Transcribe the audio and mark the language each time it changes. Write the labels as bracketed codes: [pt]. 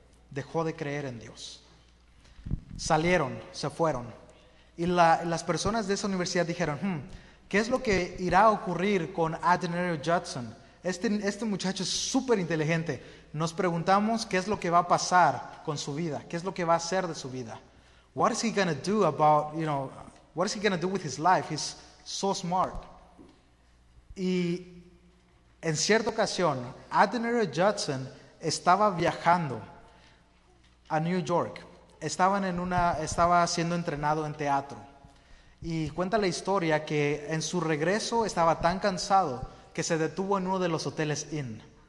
[es] Dejó de creer en Dios. Salieron, se fueron. Y las personas de esa universidad dijeron, ¿qué es lo que irá a ocurrir con Adoniram Judson? Este muchacho es súper inteligente. Nos preguntamos qué es lo que va a pasar con su vida. ¿Qué es lo que va a hacer de su vida? [en] What is he going to do about, you know, what is he going to do with his life? He's so smart. [es] Y en cierta ocasión, Adoniram Judson estaba viajando a New York. Estaba siendo entrenado en teatro. Y cuenta la historia que en su regreso estaba tan cansado que se detuvo en uno de los hoteles Inn.